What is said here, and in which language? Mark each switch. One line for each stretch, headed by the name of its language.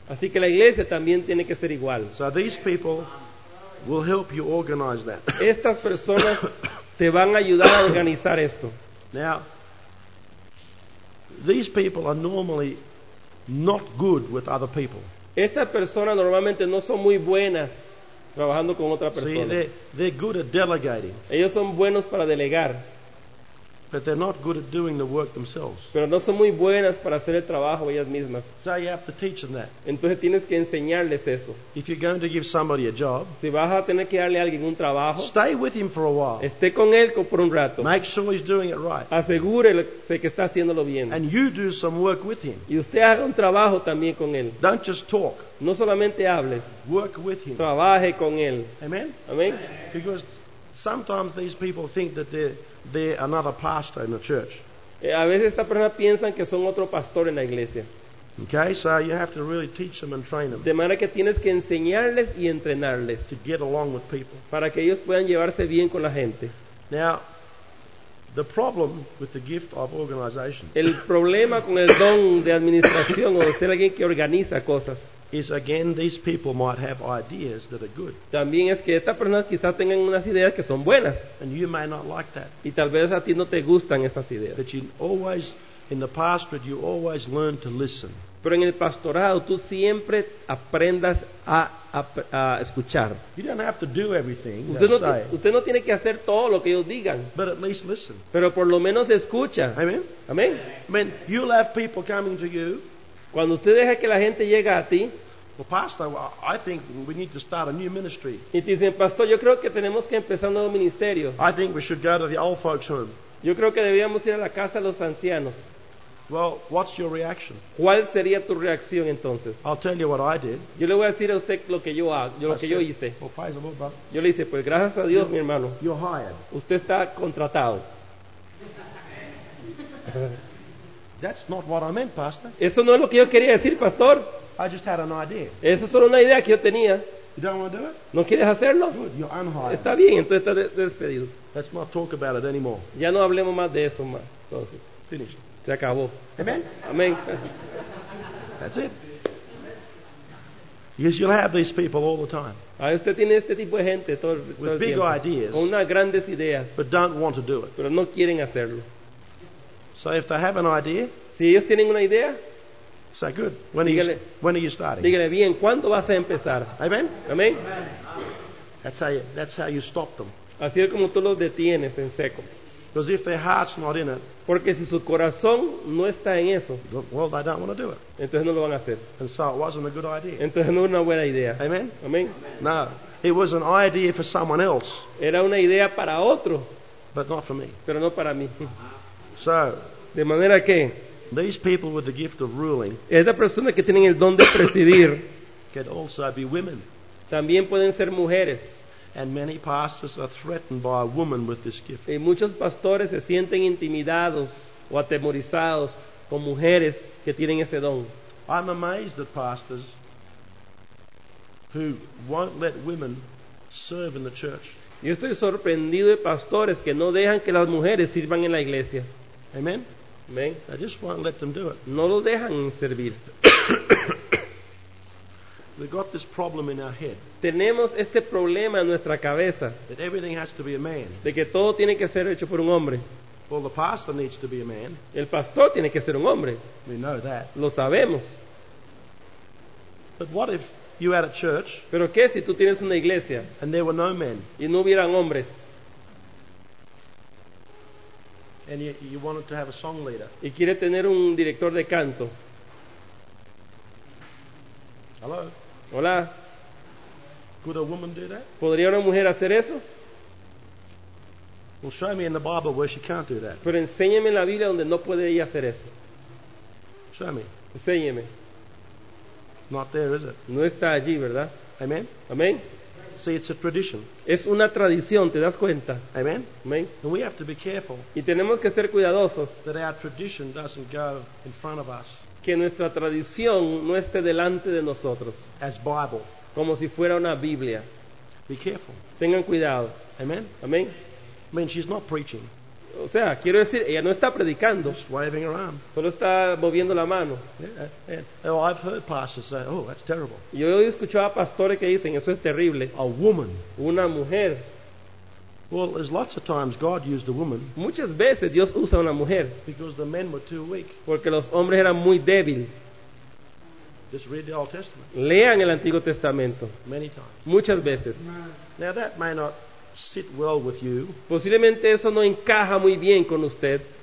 Spanish: Así que la iglesia también tiene que ser igual.
English: So these people will help you organize that.
Spanish: Estas personas te van a ayudar a organizar esto.
English: Now, these people are normally not good with other people.
Spanish: Estas personas normalmente no son muy buenas trabajando con otra persona.
English: See, they're good at delegating.
Spanish: Ellos son buenos para delegar.
English: But they're not good at doing the work themselves.
Spanish: Pero no son muy buenas para hacer el trabajo ellas mismas.
English: So you have to teach them that.
Spanish: Entonces tienes que enseñarles eso.
English: If you're going to give somebody a job,
Spanish: si vas a tener que darle a alguien un trabajo,
English: stay with him for a while.
Spanish: Esté con él por un rato.
English: Make sure he's doing it right.
Spanish: Asegúrese que está haciéndolo bien.
English: And you do some work with him.
Spanish: Y usted haga un trabajo también con él.
English: Don't just talk.
Spanish: No solamente hables.
English: Work with him.
Spanish: Trabaje con él.
English: Amen.
Spanish: Amen.
English: Because sometimes these people think that they're another pastor in the church.
Spanish: A veces estas personas piensan que son otro pastor en la iglesia.
English: Okay, so you have to really teach them and train them.
Spanish: De manera que tienes que enseñarles y entrenarles.
English: To get along with people.
Spanish: Para que ellos puedan llevarse bien con la gente.
English: Now, the problem with the gift of organization.
Spanish: El problema con el don de administración o de ser alguien que organiza cosas.
English: Is again, these people might have ideas that are good.
Spanish: También es que estas personas quizás tengan unas ideas que son buenas.
English: And you may not like that.
Spanish: Y tal vez a ti no te gustan esas ideas.
English: But you always, in the pastorate, you always learn to listen.
Spanish: Pero en el pastorado tú siempre aprendas a escuchar.
English: You don't have to do everything.
Spanish: Usted no tiene que hacer todo lo que ellos digan.
English: But at least listen.
Spanish: Pero por lo menos escucha.
English: Amen.
Spanish: Amen.
English: I mean, you'll have people coming to you.
Spanish: Cuando usted deja que la gente llegue a ti,
English: Well, Pastor, I think we need to start a new ministry.
Spanish: Y dicen, Pastor, yo creo que tenemos que empezar un nuevo ministerio.
English: I think we should go to the old folks' home.
Spanish: Yo creo que debíamos ir a la casa de los ancianos.
English: Well, what's your reaction?
Spanish: ¿Cuál sería tu reacción entonces?
English: I'll tell you what I did.
Spanish: Yo le voy a decir a usted lo que yo hago, lo que yo hice.
English: Well, praise the Lord, brother.
Spanish: Yo le hice, pues gracias a Dios, mi hermano.
English: You're hired.
Spanish: Usted está contratado.
English: That's not what I meant, Pastor.
Spanish: Eso no es lo que yo quería decir, Pastor.
English: I just had an idea.
Spanish: Eso es solo una idea que yo tenía.
English: You don't want to do it?
Spanish: ¿No quieres hacerlo?
English: Good. You're unhired.
Spanish: Está bien, entonces está despedido.
English: Let's not talk about it anymore.
Spanish: Ya no hablemos más de eso más. Entonces,
English: finished.
Spanish: Se acabó.
English: Amen.
Spanish: Amen.
English: That's it. Because you'll have these people all the time.
Spanish: Ah, usted tiene este tipo de gente todo el tiempo.
English: With big ideas.
Spanish: Con unas grandes ideas.
English: But don't want to do it.
Spanish: Pero no quieren hacerlo.
English: So if they have an idea.
Spanish: Si ellos tienen una idea.
English: So good. When are you starting?
Spanish: Dígale bien. ¿Cuándo vas a empezar?
English: Amen.
Spanish: Amen.
English: That's how you stop them.
Spanish: Así es como tú los detienes en seco.
English: Because if their heart's not in it,
Spanish: porque si su corazón no está en eso,
English: well, they don't want to do it.
Spanish: Entonces no lo van a hacer.
English: And so it wasn't a good idea.
Spanish: Entonces no era una buena idea.
English: Amen?
Spanish: Amen.
English: No, it was an idea for someone else.
Spanish: Era una idea para otro,
English: but not for me.
Spanish: Pero no para mí.
English: So,
Spanish: de manera que,
English: these people with the gift of ruling,
Spanish: esa persona que tienen el don de presidir,
English: could also be women.
Spanish: También pueden ser mujeres.
English: And many pastors are threatened by a woman with this gift.
Spanish: Y muchos pastores se sienten intimidados o atemorizados con mujeres que tienen ese don.
English: I'm amazed at pastors who won't let women serve in the church.
Spanish: Yo estoy sorprendido de pastores que no dejan que las mujeres sirvan en la iglesia.
English: Amen.
Spanish: Amen.
English: They just won't let them do it.
Spanish: No lo dejan servir.
English: We've got this problem in our head.
Spanish: Tenemos este problema en nuestra cabeza.
English: That everything has to be a man.
Spanish: De que todo tiene que ser hecho por un hombre.
English: Well, the pastor needs to be a man.
Spanish: El pastor tiene que ser un hombre.
English: We know that.
Spanish: Lo sabemos.
English: But what if you had a church?
Spanish: Pero qué si tú tienes una iglesia.
English: And there were no men.
Spanish: Y no hubieran hombres.
English: And you wanted to have a song leader.
Spanish: Y quiere tener un director de canto.
English: Hello.
Spanish: Hola.
English: Could a woman do that?
Spanish: ¿Podría una mujer hacer eso?
English: Well, show me in the Bible where she can't do that.
Spanish: Pero enséñeme en la Biblia donde no puede ella hacer eso.
English: Show me.
Spanish: Enséñeme.
English: It's not there, is it?
Spanish: No está allí, ¿verdad?
English: Amen.
Spanish: Amen.
English: See, it's a tradition.
Spanish: Es una tradición, ¿te das cuenta?
English: Amen.
Spanish: Amen.
English: And we have to be careful.
Spanish: Y tenemos que ser cuidadosos.
English: That our tradition doesn't go in front of us.
Spanish: Que nuestra tradición no esté delante de nosotros.
English: As Bible.
Spanish: Como si fuera una Biblia.
English: Be careful.
Spanish: Tengan cuidado.
English: Amen.
Spanish: Amen.
English: I mean, she's not preaching.
Spanish: O sea, quiero decir, ella no está predicando.
English: Just waving her arm.
Spanish: Solo está moviendo la mano.
English: Yeah, yeah. Oh, I've heard pastors say, oh, that's terrible.
Spanish: Yo he escuchado a pastores que dicen, eso es terrible.
English: A woman.
Spanish: Una mujer.
English: Well, there's lots of times God used a woman.
Spanish: Muchas veces Dios usa una mujer.
English: Because the men were too weak.
Spanish: Porque los hombres eran muy débiles.
English: Just read the Old Testament.
Spanish: Lean el Antiguo Testamento.
English: Many times.
Spanish: Muchas veces.
English: Now that may not sit well with you.
Spanish: Posiblemente eso no encaja muy bien con usted.